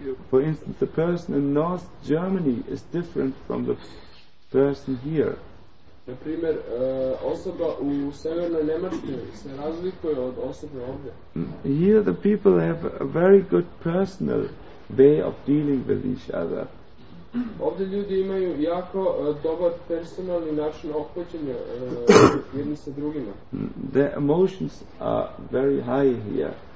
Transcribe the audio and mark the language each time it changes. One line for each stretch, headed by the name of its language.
English: For instance, the person in North Germany is different from the person here.
Serbian: Na primjer, osoba u Severnoj Njemačkoj se razlikuje od osobe ovdje.
English: Here the people have a very good personal way of dealing with each other.
Serbian: Ovdje ljudi imaju jako dobar personalni način ophođenja jedni sa drugima.
English: Their emotions are very high here.